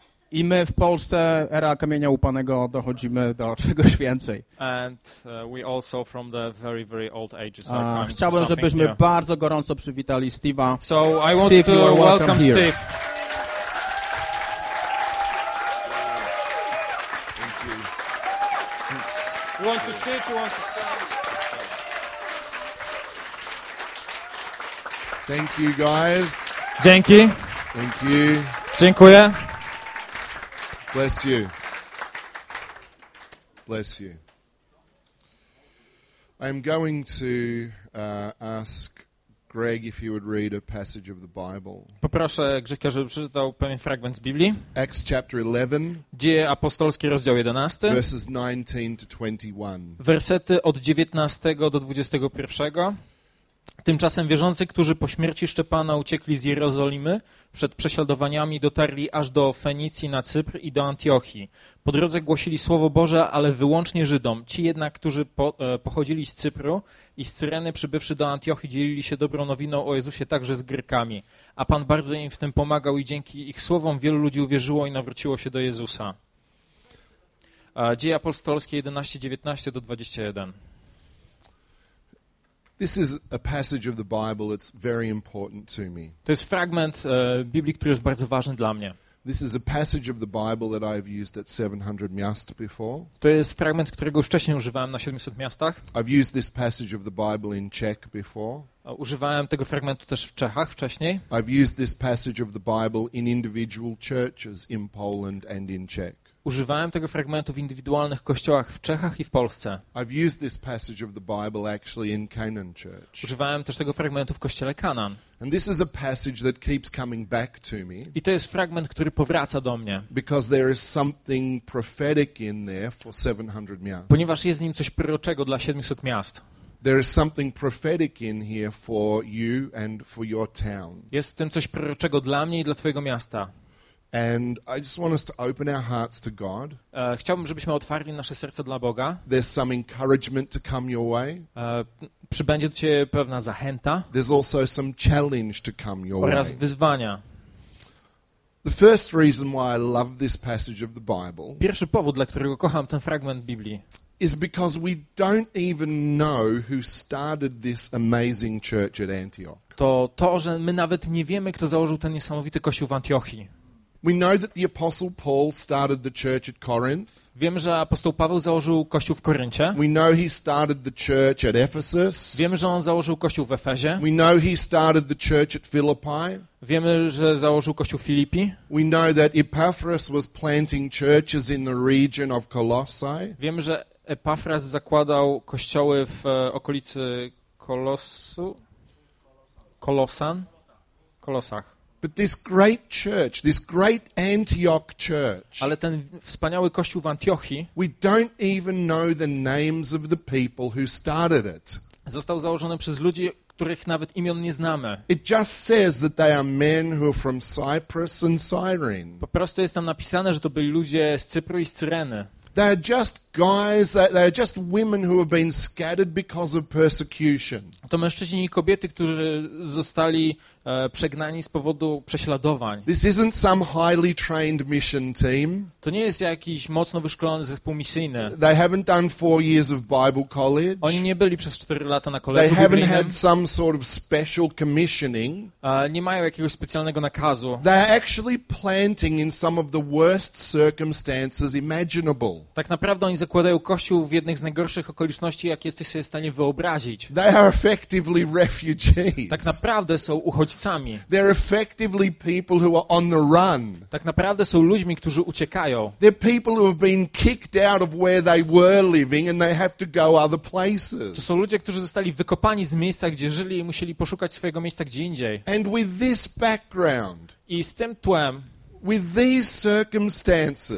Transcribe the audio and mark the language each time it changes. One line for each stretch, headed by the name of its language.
Polish: I my w Polsce, era kamienia łupanego, dochodzimy do czegoś więcej.
English: And we also from the very, very old ages.
Polish: Chciałbym, żebyśmy yeah. bardzo gorąco przywitali Steve'a.
English: So I want Steve, to welcome here. Steve. Thank you. You want to sit, you want to stand? Thank you, guys.
Polish: Dzięki.
English: Thank you.
Polish: Dziękuję.
English: Bless you. Bless you. I am going to ask Greg if he would read a passage of the Bible.
Polish: Poproszę Grzegorza, żeby przeczytał pewien fragment z Biblii.
English: Acts chapter 11.
Polish: Dzieje apostolskie, rozdział 11.
English: Verses 19 to 21.
Polish: Wersety od 19 do 21. Tymczasem wierzący, którzy po śmierci Szczepana uciekli z Jerozolimy, przed prześladowaniami dotarli aż do Fenicji na Cypr i do Antiochii. Po drodze głosili Słowo Boże, ale wyłącznie Żydom. Ci jednak, którzy pochodzili z Cypru i z Cyreny, przybywszy do Antiochii, dzielili się dobrą nowiną o Jezusie także z Grekami. A Pan bardzo im w tym pomagał i dzięki ich słowom wielu ludzi uwierzyło i nawróciło się do Jezusa. Dzieje apostolskie 11:19-21.
English: This is a passage of the Bible that's very important to me.
Polish: To jest fragment Biblii, który jest bardzo ważny dla mnie.
English: This is a passage of the Bible that I've used at 700 miast before.
Polish: To jest fragment, którego już wcześniej używałem na 700 miastach.
English: I've used this passage of the Bible in Czech before.
Polish: Używałem tego fragmentu też w Czechach wcześniej.
English: I've used this passage of the Bible in individual churches in Poland and in Czech.
Polish: Używałem tego fragmentu w indywidualnych kościołach w Czechach i w Polsce.
English: I've used this passage of the Bible actually in Canaan Church.
Polish: Używałem też tego fragmentu w kościele Canaan.
English: And this is a passage that keeps coming back to me.
Polish: I to jest fragment, który powraca do mnie.
English: Because there is something prophetic in there for 700 miast.
Polish: Ponieważ jest w nim coś proroczego dla 700 miast.
English: There is something prophetic in here for you and for your town.
Polish: Jest w tym coś proroczego dla mnie i dla twojego miasta.
English: And I just want us to open our hearts to God.
Polish: Chciałbym, żebyśmy otwarli nasze serca dla Boga.
English: There's some encouragement to come your way.
Polish: Przybędzie do ciebie pewna zachęta.
English: There's also some challenge to come your way.
Polish: Oraz wyzwania.
English: The first reason why I love this passage of the Bible.
Polish: Pierwszy powód, dla którego kocham ten fragment Biblii.
English: Is because we don't even know who started this amazing church at Antioch.
Polish: To, że my nawet nie wiemy, kto założył ten niesamowity kościół w Antiochii.
English: We know that the apostle Paul started the church at Corinth.
Polish: Wiemy, że apostoł Paweł założył kościół w Koryncie.
English: We know he started the church at Ephesus.
Polish: Wiemy, że on założył kościół w Efezie.
English: We know he started the church at Philippi.
Polish: Wiemy, że założył kościół w Filipii.
English: We know that Epaphras was planting churches in the region of Colossae.
Polish: Wiemy, że Epafras zakładał kościoły w okolicy Kolosu. Kolosan. Kolosach.
English: But this great church, this great Antioch church.
Polish: Ale ten wspaniały kościół w Antiochii.
English: We don't even know the names of the people who started it.
Polish: Został założony przez ludzi, których nawet imion nie znamy.
English: It just says that they are men who are from Cyprus and Cyrene.
Polish: Po prostu jest tam napisane, że to byli ludzie z Cypru i z Cyreny.
English: They are just guys, they are just women who have been scattered because of persecution.
Polish: To mężczyźni i kobiety, którzy zostali przegnani z powodu prześladowań.
English: This isn't some highly trained mission team.
Polish: To nie jest jakiś mocno wyszkolony zespół misyjny.
English: They haven't done 4 years of Bible college.
Polish: Oni nie byli przez 4 lata na koledżu biblijnym.
English: They haven't had some sort of special commissioning.
Polish: Nie mają jakiegoś specjalnego nakazu.
English: They are actually planting in some of the worst circumstances imaginable.
Polish: Tak naprawdę oni zakładają kościół w jednych z najgorszych okoliczności, jakie jesteś sobie w stanie wyobrazić.
English: They are effectively refugees.
Polish: Tak naprawdę są uchodźcami.
English: They're effectively people who are on the run.
Polish: Tak naprawdę są ludźmi, którzy uciekają.
English: They're people who have been kicked out of where they were living and they have to go other places.
Polish: To są ludzie, którzy zostali wykopani z miejsca, gdzie żyli i musieli poszukać swojego miejsca gdzie indziej.
English: And with this background.
Polish: I z tym tłem.
English: With these circumstances.